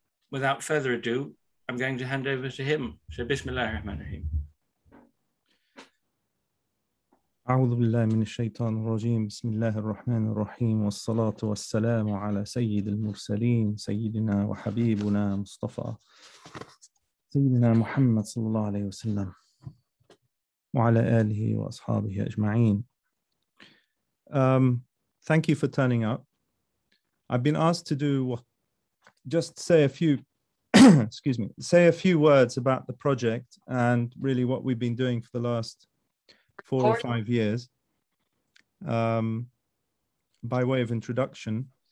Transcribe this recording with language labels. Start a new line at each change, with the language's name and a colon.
English: Without further ado, I'm going to hand over to him. So, Bismillahirrahmanirrahim.
Arabic: أعوذ بالله من الشيطان الرجيم بسم الله الرحمن الرحيم والصلاة والسلام على سيد المرسلين سيدنا وحبيبنا مصطفى سيدنا محمد صلى الله عليه وسلم وعلى آله وأصحابه أجمعين.
English: Thank you for turning up. I've been asked to do just say a few say a few words about the project and really what we've been doing for the last 4 or 5 years, by way of introduction.